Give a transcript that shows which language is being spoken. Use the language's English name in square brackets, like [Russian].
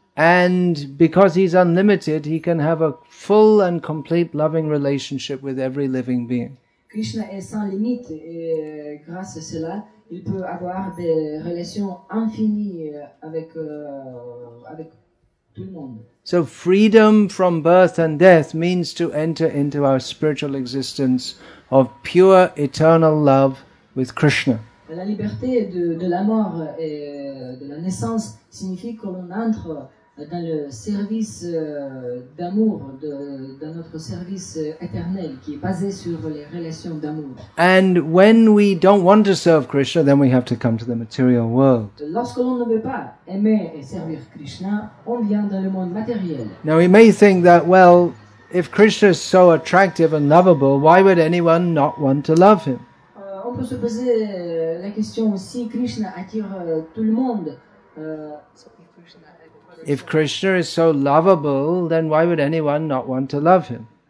[English] And because he's unlimited, he can have a full and complete loving relationship with every living being. [French] Krishna est sans limite et grâce à cela, il peut avoir des relations infinies avec tout le monde. [English] So freedom from birth and death means to enter into our spiritual existence of pure eternal love with Krishna. [French] La liberté de la mort et de la naissance signifie qu'on entre dans le service d'amour, dans notre service éternel qui est basé sur les relations d'amour. [English] And when we don't want to serve Krishna, then we have to come to the material world. [French] Lorsque l'on ne veut pas aimer et servir Krishna, on vient dans le monde matériel. [English] Now we may think that, well, if Krishna is so attractive and lovable, why would anyone not want to love him? [French] On on peut se poser la question si Krishna attire tout le monde. [English] If Krishna is so lovable, then why would anyone not want to love him?